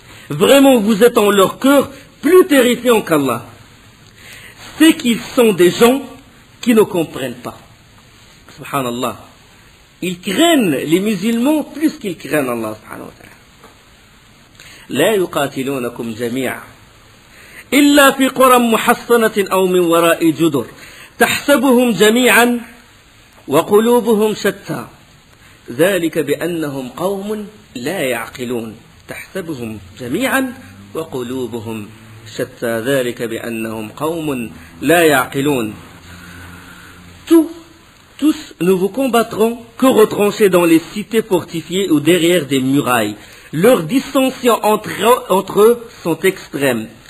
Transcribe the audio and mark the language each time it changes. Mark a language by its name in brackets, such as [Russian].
[French] Vraiment, vous êtes en leur cœur plus terrifiants qu'Allah. C'est qu'ils sont des gens qui ne comprennent pas. Subhanallah. Ils craignent les musulmans plus qu'ils craignent Allah. [Arabic] Subhanahu wa ta'ala. La yuqatilunakum jami'a. إلا في قرى محصنة أو من وراء جدر تحسبهم جميعا وقلوبهم شتى ذلك بأنهم قوم لا يعقلون. تحسبهم جميعا وقلوبهم شتى ذلك بأنهم قوم لا يعقلون. [French] Tous nous vous combattrons que retranchés dans les cités fortifiées ou derrière des murailles. Leurs distances entre eux sont extrêmes.